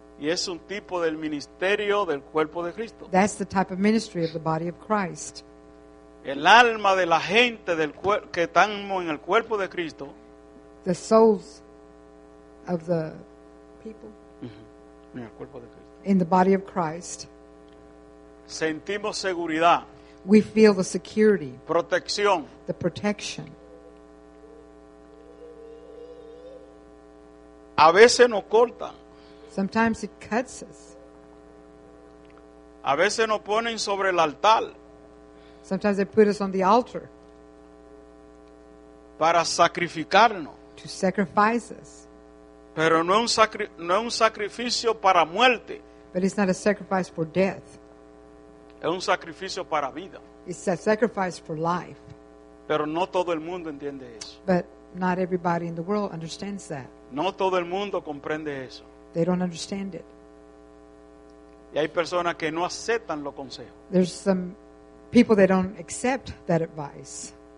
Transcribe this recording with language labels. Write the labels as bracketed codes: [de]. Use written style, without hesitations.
[es] Y es un tipo del ministerio del cuerpo de Cristo. [en] That's the type of ministry of the body of Christ. [es] El alma de la gente del que estamos en el cuerpo de Cristo. [en] The souls of the people. [es] Mm-hmm. En el cuerpo de Cristo. [en] In the body of Christ. [es] Sentimos seguridad. [en] We feel the security. [es] Protección. [en] The protection. [es] A veces nos cortan. [en] Sometimes it cuts us. [es] A veces nos ponen sobre el altar. [en] Sometimes they put us on the altar. [es] Para sacrificarnos. [en] To sacrifice us. [es] Pero no es un sacrificio para muerte. [en] But it's not a sacrifice for death. [es] Es un sacrificio para vida. [en] It's a sacrifice for life. [es] Pero no todo el mundo entiende eso. [en] But not everybody in the world understands that. [es] No todo el mundo comprende eso. [en] They don't understand it. [es] Y hay personas que no aceptan los consejos. [en] There's some people that don't accept that advice.